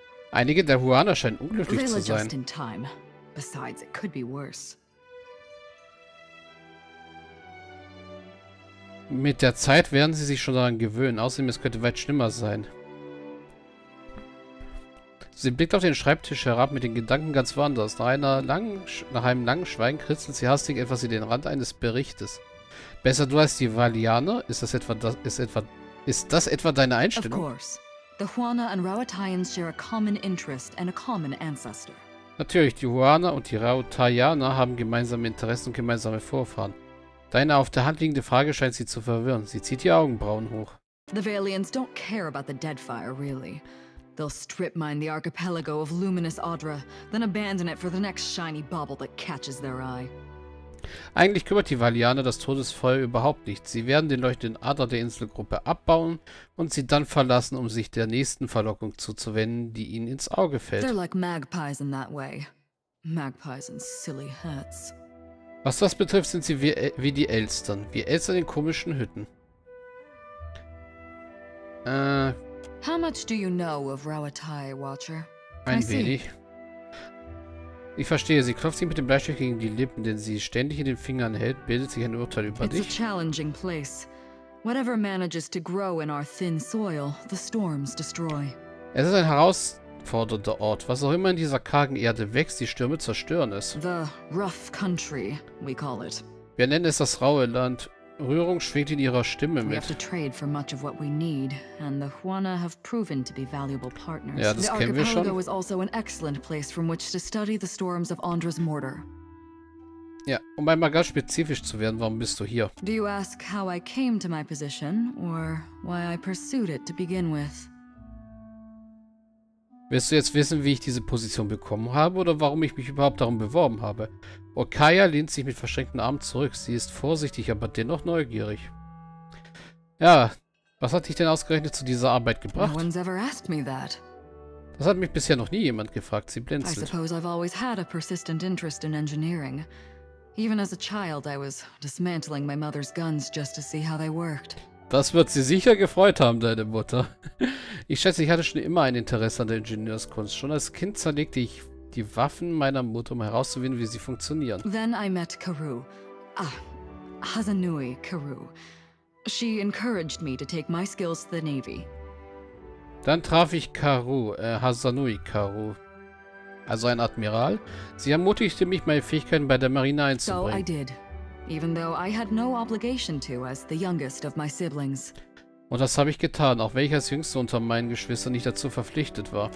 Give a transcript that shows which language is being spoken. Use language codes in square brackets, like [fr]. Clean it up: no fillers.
[de] Einige der Huaner scheinen unglücklich zu sein. [en] Besides, it could be worse. [de] Mit der Zeit werden sie sich schon daran gewöhnen. Außerdem, es könnte weit schlimmer sein. Sie blickt auf den Schreibtisch herab mit den Gedanken ganz woanders. Nach einem langen Schweigen kritzelt sie hastig etwas in den Rand eines Berichtes. Besser du als die Valianer? Ist das etwa deine Einstellung? [en] Of course. The Huana and Rauhataians share a common interest and a common ancestor. [de] Natürlich, die Huana und die Rauhataianer haben gemeinsame Interessen und gemeinsame Vorfahren. Deine auf der Hand liegende Frage scheint sie zu verwirren. Sie zieht die Augenbrauen hoch. [en] The Valians don't care about the Deadfire, really. They'll strip mine the archipelago of luminous Audra, then abandon it for the next shiny bauble that catches their eye. [de] Eigentlich kümmert die Valianer das Todesfeuer überhaupt nicht. Sie werden den leuchtenden Adler der Inselgruppe abbauen und sie dann verlassen, um sich der nächsten Verlockung zuzuwenden, die ihnen ins Auge fällt. [en] They're like magpies in that way. Magpies and silly hats. [de] Was das betrifft, sind sie wie die Elstern. Wie Elstern in komischen Hütten. [en] How much do you know of Rauhatai, Watcher? [de] Ein wenig. Ich verstehe, sie klopft sich mit dem Bleistift gegen die Lippen, den sie ständig in den Fingern hält, bildet sich ein Urteil über dich. [en] It's a challenging place. Whatever manages to grow in our thin soil, the storms destroy. [de] Es ist ein herausfordernder Ort. Was auch immer in dieser kargen Erde wächst, die Stürme zerstören es. [en] The rough country, we call it. [de] Wir nennen es das raue Land. Rührung schwingt in ihrer Stimme mit. [en] We have to trade for much of what we need, and the Huana have proven to be valuable partners. [de] Ja, das kennen wir schon. [en] The archipelago is also an excellent place from which to study the storms of Andra's mortar. [de] Ja, um einmal ganz spezifisch zu werden, warum bist du hier? [en] Do you ask how I came to my position, or why I pursued it to begin with? [de] Willst du jetzt wissen, wie ich diese Position bekommen habe, oder warum ich mich überhaupt darum beworben habe? Okaya lehnt sich mit verschränkten Armen zurück. Sie ist vorsichtig, aber dennoch neugierig. Ja, was hat dich denn ausgerechnet zu dieser Arbeit gebracht? [en] No one's ever asked me that. [de] Das hat mich bisher noch nie jemand gefragt. Sie blinzelt. [en] I suppose I've always had a persistent interest in engineering. Even as a child, I was dismantling my mother's guns just to see how they worked. [de] Das wird sie sicher gefreut haben, deine Mutter. Ich schätze, ich hatte schon immer ein Interesse an der Ingenieurskunst. Schon als Kind zerlegte ich die Waffen meiner Mutter, um herauszufinden, wie sie funktionieren. [en] Then I met Karu. Ah, Hazanui Karu. She encouraged me to take my skills to the Navy. [de] Dann traf ich Karu, Hazanui Karu. Also ein Admiral. Sie ermutigte mich, meine Fähigkeiten bei der Marine einzubringen. [en] So I did. Even though I had no obligation to, as the youngest of my siblings. [de] Und das habe ich getan, auch wenn ich als Jüngste unter meinen Geschwistern nicht dazu verpflichtet war.